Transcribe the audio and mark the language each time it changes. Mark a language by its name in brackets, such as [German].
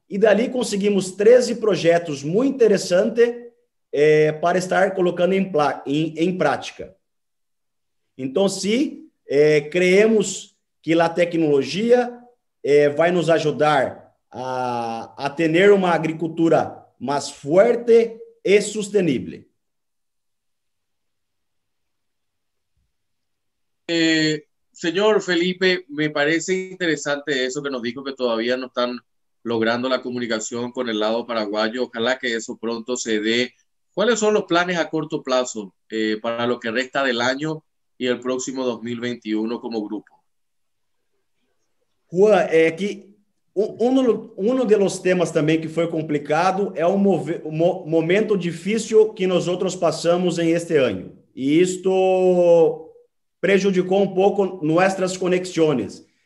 [Portuguese] E dali conseguimos 13 projetos muito interessantes para estar colocando em prática. Então, sim, creemos que a tecnologia vai nos ajudar a ter uma agricultura mais forte e sustentável. [Spanish] Señor Felipe, me parece interesante eso que nos dijo, que todavía no están logrando la comunicación con el lado paraguayo. Ojalá que eso pronto se dé. ¿Cuáles son los planes a corto plazo para lo que resta del año y el próximo 2021 como grupo? Juan, que uno de los temas también que fue complicado es un momento difícil que nosotros pasamos en este año. [Portuguese] Y esto prejudicou um pouco nossas conexões.